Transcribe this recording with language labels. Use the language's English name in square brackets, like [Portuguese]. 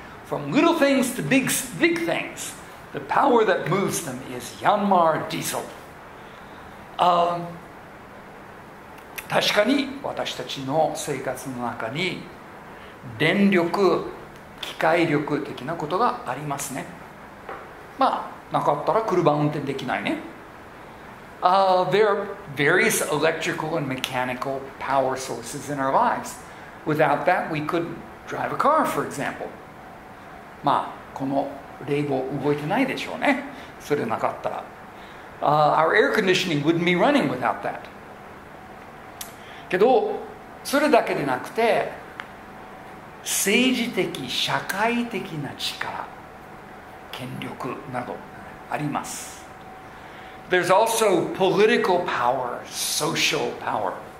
[English] From little things to big things, the power that moves them is Yanmar diesel. [Japanese] 確かに私たちの生活の中に電力、機械力的なことがありますね。まあ、なかったら車運転できないね。 [English] There are various electrical and mechanical power sources in our lives. Without that, we couldn't drive a car, for example. [Japanese] まあ、この冷房動いてないでしょうね。それなかったら。 [English] Our air conditioning wouldn't be running without that. [Japanese] けど、それだけでなくて、政治的、社会的な力、権力など、あります。 [English] There's also political power, social power.